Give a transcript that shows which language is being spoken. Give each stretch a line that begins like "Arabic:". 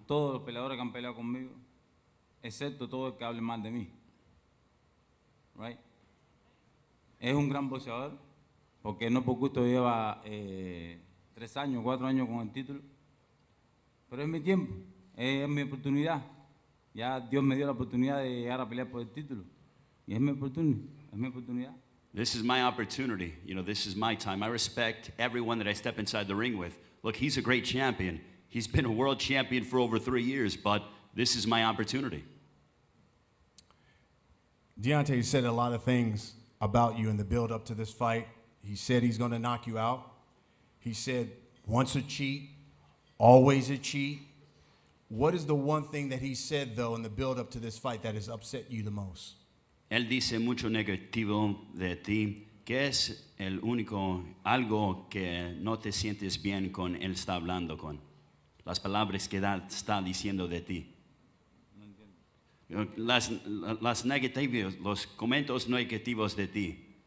Spanish: Todos los peleadores que han peleado conmigo, excepto todo el que hable mal de mí.
English: Right?
Spanish: Es un gran boxeador, porque no por gusto lleva 3 años, 4 años con el título. Pero es mi tiempo, es mi oportunidad. Ya Dios me dio la oportunidad de llegar a pelear por el título. Y es mi oportunidad.
English: This is my opportunity, you know, this is my time. I respect everyone that I step inside the ring with. Look, he's a great champion. He's been a world champion for over 3 years, but this is my opportunity. Deontay said a lot of things about you in the build up to this fight. He said he's going to knock you out. He said, once a cheat, always a cheat. What is the one thing that he said, though, in the build-up to this fight that has upset you the most?
Spanish: Él dice mucho negativo de ti. ¿Qué es el único algo que no te sientes bien con él está hablando con? Las palabras que está diciendo de ti. No entiendo. Las negativas, los comentarios negativos de ti.